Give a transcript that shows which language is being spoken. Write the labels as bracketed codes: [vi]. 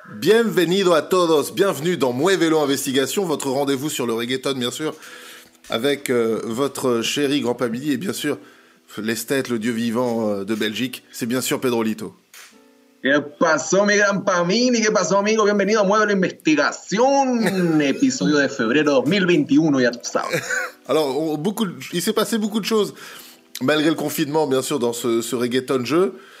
[es] Bienvenido a todos, [fr] bienvenue dans Muévelo Investigation, votre rendez-vous sur le reggaeton, bien sûr, avec votre chéri Grand Pabili et bien sûr l'esthète, le dieu vivant de Belgique, c'est bien sûr Pedro Lito. [es] ¿Qué pasó, mi gran Pamini? ¿Qué pasó, amigo? Bienvenido a Muévelo Investigación, episodio de febrero 2021, ya tú sabes. [fr] Alors, il s'est passé beaucoup de choses, malgré le confinement, bien sûr, dans ce reggaeton jeu.